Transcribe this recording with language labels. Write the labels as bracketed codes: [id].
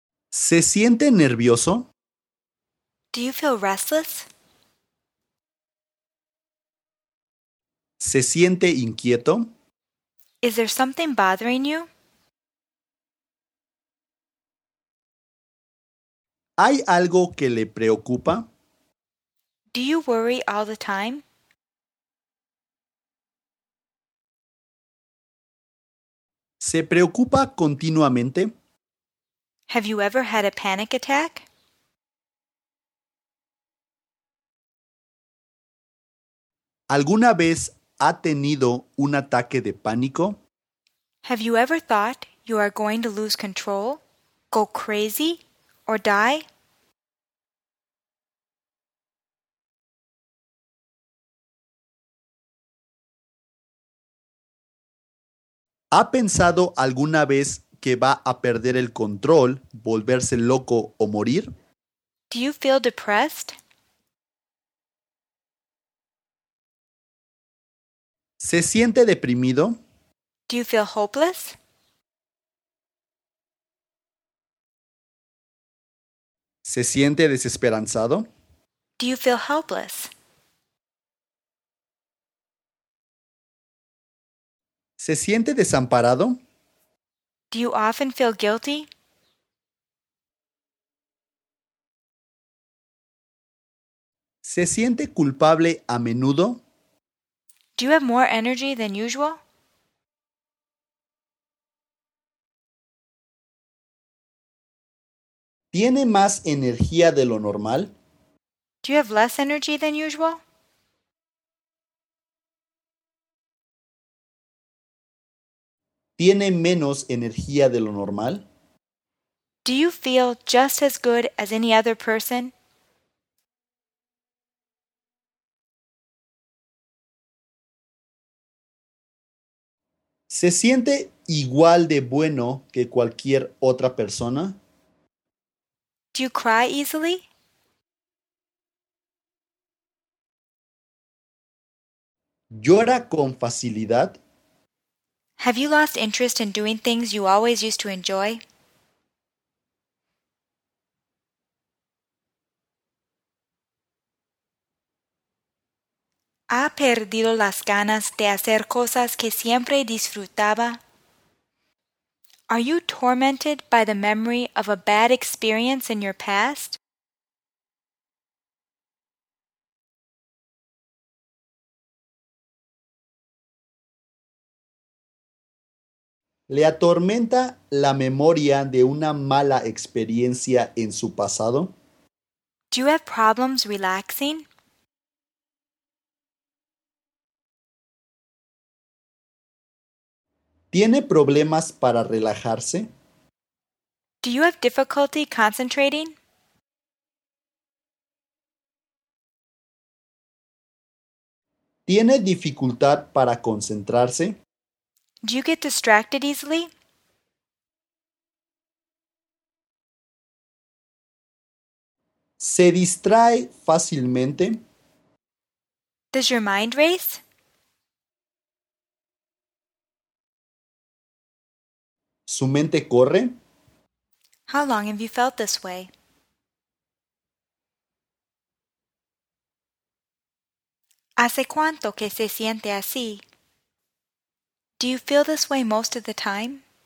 [es] ¿Se siente nervioso? [en] Do you feel restless? [es] ¿Se siente inquieto? [en] Is there something bothering you? [es] ¿Hay algo que le preocupa? [en] Do you worry all the time? [es] ¿Se preocupa continuamente? [en] Have you ever had a panic attack? [es] ¿Alguna vez ha tenido un ataque de pánico? [en] Have you ever thought you are going to lose control, go crazy, or die? [es] ¿Ha pensado alguna vez que va a perder el control, volverse loco o morir? [en] Do you feel depressed? [es] ¿Se siente deprimido? [en] Do you feel hopeless? [es] ¿Se siente desesperanzado? [en] Do you feel helpless? [es] ¿Se siente desamparado? [en] Do you often feel guilty? [es] ¿Se siente culpable a menudo? [en] Do you have more energy than usual? [es] ¿Tiene más energía de lo normal? [en] Do you have less energy than usual? [es] ¿Tiene menos energía de lo normal? [en] Do you feel just as good as any other person? [es] ¿Se siente igual de bueno que cualquier otra persona? [en] Do you cry easily? [es] ¿Llora con facilidad? [en] Have you lost interest in doing things you always used to enjoy? [es] ¿Ha perdido las ganas de hacer cosas que siempre disfrutaba? [en] Are you tormented by the memory of a bad experience in your past? [es] ¿Le atormenta la memoria de una mala experiencia en su pasado? [en] Do you have problems relaxing? [es] ¿Tiene problemas para relajarse? [en] Do you have difficulty concentrating? [es] ¿Tiene dificultad para concentrarse? [en] Do you get distracted easily? [es] ¿Se distrae fácilmente? [en] Does your mind race? [es] ¿Su mente corre? [en] How long have you felt this way? [es] ¿Hace cuánto que se siente así? [en] Do you feel this way most of the time?